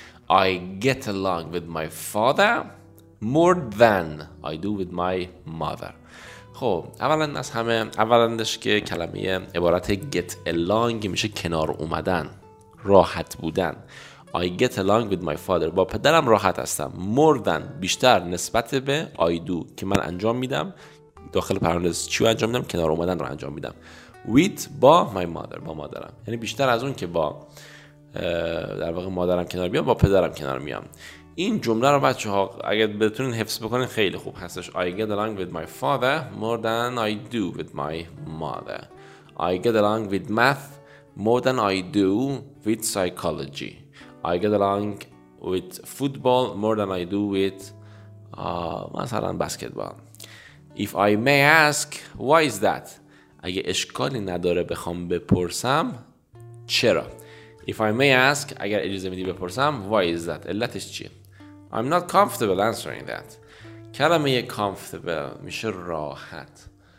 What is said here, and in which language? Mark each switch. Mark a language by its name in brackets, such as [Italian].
[English] I get along with my father more than I do with my mother. [Persian] خب اولا از همه، اولندش که کلمه عبارت get along میشه کنار اومدن، راحت بودن. [English] I get along with my father، [Persian] با پدرم راحت هستم. More than، بیشتر، نسبت به I do که من انجام میدم، داخل پرانتز چی رو انجام میدم؟ کنار اومدن رو انجام میدم. With با [English] my mother، [Persian] با مادرم، یعنی بیشتر از اون که با در واقع مادرم کنار بیام، با پدرم کنار میام. این جمله رو بچه ها اگر بتونین حفظ بکنین خیلی خوب هستش. [English] I get along with my father more than I do with my mother. I get along with math more than I do with psychology. I get along with football more than I do with مثلا basketball. If I may ask, why is that? [Persian] اگه اشکالی نداره بخوام بپرسم چرا. [English] If I may ask، [Persian] اگر اجازه میدی بپرسم، [English] why is that؟ [Persian] علتش چیه؟ [English] I'm not comfortable answering that. [Persian] کلمه comfortable میشه راحت.